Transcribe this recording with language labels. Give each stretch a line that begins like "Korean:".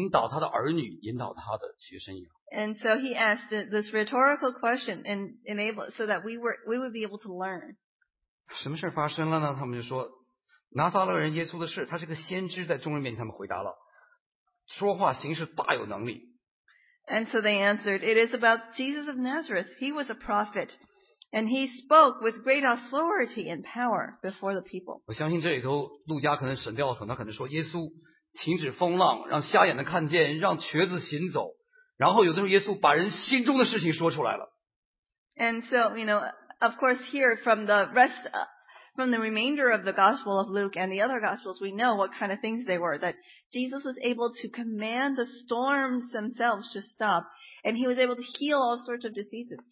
Chinese: 就像一个做老师、做父母的，怎么引导他的儿女、引导他的学生一样。
English: And so he asked this rhetorical question and enabled so that we would be able to learn.
Chinese: 什么事发生了呢？他们就说，拿撒勒人耶稣的事，他是个先知，在众人面前他们回答了，说话行事大有能力。
English: And so they answered, it is about Jesus of Nazareth. He was a prophet, and he spoke with great authority and power before the people.
Chinese: 我相信这里头路加可能省掉了很多，可能说耶稣停止风浪，让瞎眼的看见，让瘸子行走。然后有的时候，耶稣把人心中的事情说出来了。
English: And so, you know, of course, here from the rest, from the remainder of the Gospel of Luke and the other Gospels, we know what kind of things they were. That Jesus was able to command the storms themselves to stop, and he was able to heal all sorts of diseases.